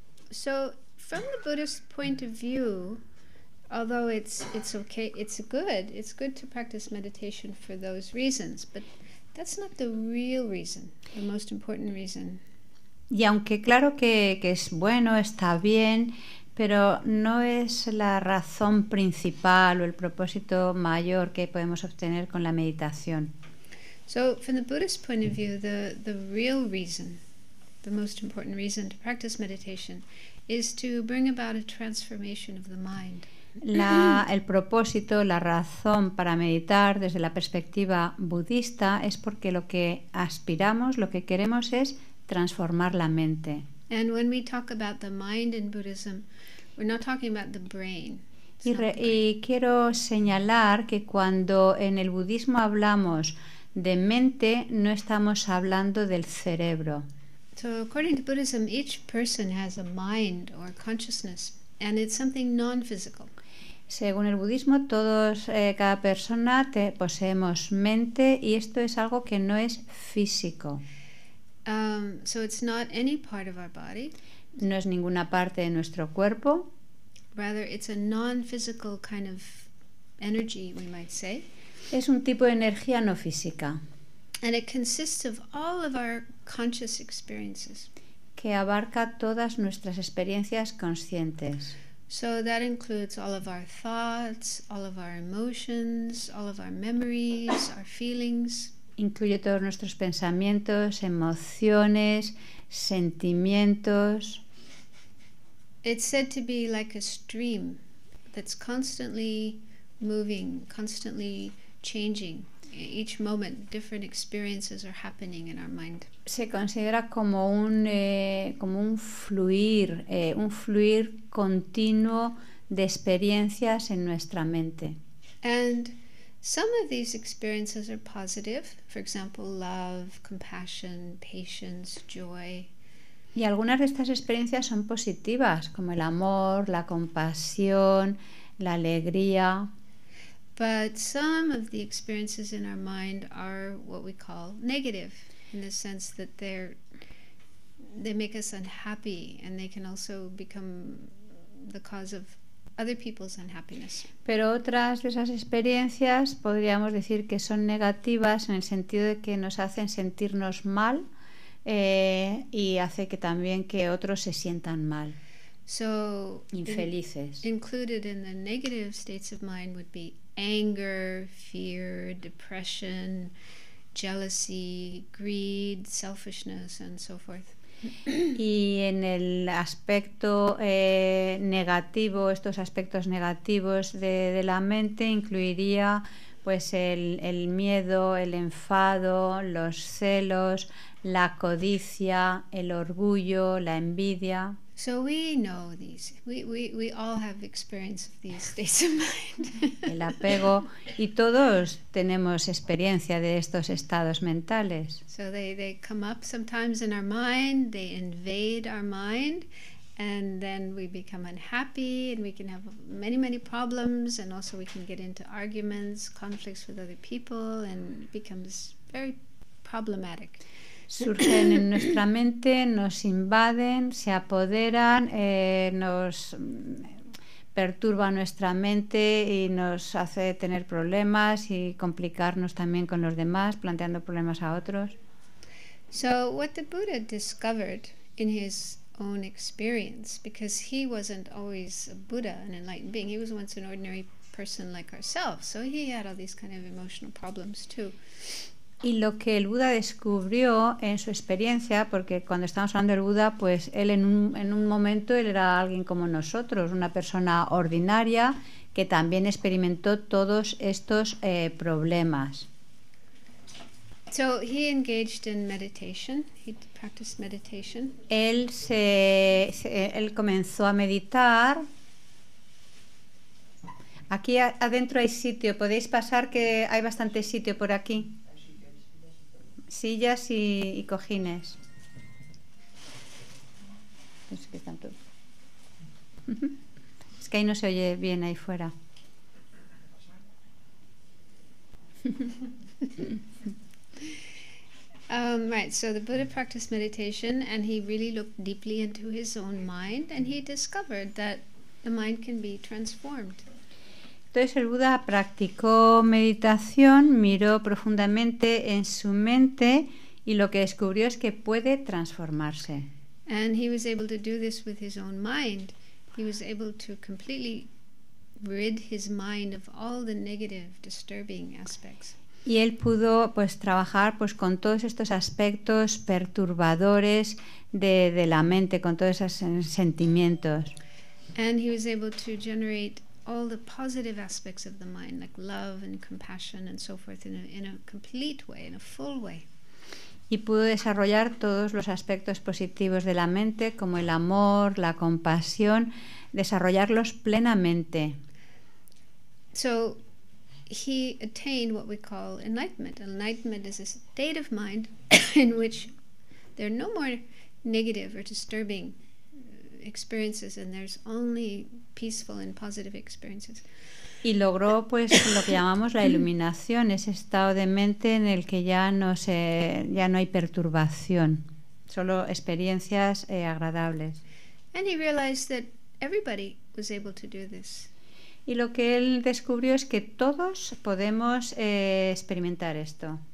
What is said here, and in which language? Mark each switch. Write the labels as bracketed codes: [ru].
[en] So from the Buddhist point of view, although it's okay, it's good to practice meditation for those reasons, but that's not the real reason, the most important reason. [es] Y aunque claro que es bueno, está bien, pero no es la razón principal o el propósito mayor que podemos obtener con la meditación. [en] So from the Buddhist point of view, the real reason, the most important reason to practice meditation is to bring about a transformation of the mind. [es] El propósito, la razón para meditar desde la perspectiva budista es porque lo que aspiramos, lo que queremos es transformar la mente. [en] And when we talk about the mind in Buddhism, we're not talking about the brain. [es] Y quiero señalar que cuando en el budismo hablamos de mente, no estamos hablando del cerebro. [en] So according to Buddhism, each person has a mind or consciousness, and it's something non-physical. [es] Según el budismo, todos, cada persona poseemos mente y esto es algo que no es físico. [en] So it's not any part of our body. [es] No es ninguna parte de nuestro cuerpo. [en] Rather, it's a non-physical kind of energy, we might say. [es] Es un tipo de energía no física. [en] And it consists of all of our conscious experiences. [es] Que abarca todas nuestras experiencias conscientes. [en] So that includes all of our thoughts, all of our emotions, all of our memories, our feelings. [es] Incluye todos nuestros pensamientos, emociones, sentimientos. [en] It's said to be like a stream that's constantly moving, constantly changing. Each moment, different experiences are happening in our mind. [es] Se considera como un fluir, un fluir continuo de experiencias en nuestra mente. [en] And some of these experiences are positive, for example, love, compassion, patience, joy. [es] Y algunas de estas experiencias son positivas, como el amor, la compasión, la alegría. [en] But some of the experiences in our mind are what we call negative, in the sense that they make us unhappy, and they can also become the cause of other people's unhappiness. [es] Pero otras de esas experiencias podríamos decir que son negativas, en el sentido de que nos hacen sentirnos mal, y hace que también que otros se sientan mal. [en] So, [es] infelices. [en] Included in the negative states of mind would be anger, fear, depression, jealousy, greed, selfishness, and so forth. [es] Y en el aspecto negativo, estos aspectos negativos de la mente incluiría pues el miedo, el enfado, los celos, la codicia, el orgullo, la envidia. [en] So we know these. We all have experience of these states of mind. [es] El apego, y todos tenemos experiencia de estos estados mentales. [en] So they come up sometimes in our mind, they invade our mind, and then we become unhappy, and we can have many, many problems, and also we can get into arguments, conflicts with other people, and it becomes very problematic. [es] Surgen en nuestra mente, nos invaden, se apoderan, nos perturba nuestra mente y nos hace tener problemas y complicarnos también con los demás, planteando problemas a otros. [en] So what the Buddha discovered in his own experience, because he wasn't always a Buddha, an enlightened being, he was once an ordinary person like ourselves, so he had all these kind of emotional problems too. [es] Y lo que el Buda descubrió en su experiencia, porque cuando estamos hablando del Buda, pues él en un momento él era alguien como nosotros, una persona ordinaria que también experimentó todos estos problemas. [en] So he engaged in meditation. He practiced meditation. [es] Él comenzó a meditar. Aquí adentro hay sitio. Podéis pasar, que hay bastante sitio por aquí. Sillas y cojines. Es que tanto. Es que ahí no se oye bien ahí fuera. [en] Right, so the Buddha practiced meditation and he really looked deeply into his own mind and he discovered that the mind can be transformed. [es] Entonces el Buda practicó meditación, miró profundamente en su mente y lo que descubrió es que puede transformarse. [en] And he was able to do this with his own mind. He was able to completely rid his mind of all the negative, disturbing aspects. [es] Y él pudo pues trabajar pues con todos estos aspectos perturbadores de la mente, con todos esos sentimientos. [en] And he was able to generate all the positive aspects of the mind, like love and compassion and so forth, in a complete way, in a full way. [es] Y pudo desarrollar todos los aspectos positivos de la mente, como el amor, la compasión, desarrollarlos plenamente. [en] So he attained what we call enlightenment. Enlightenment is a state of mind in which there are no more negative or disturbing experiences, and there's only peaceful and positive experiences. [es] Y logró pues lo que llamamos la iluminación, ese estado de mente en el que ya no hay perturbación, solo experiencias agradables. [en] And he realized that everybody was able to do this. [es] Y lo que él descubrió es que todos podemos experimentar esto.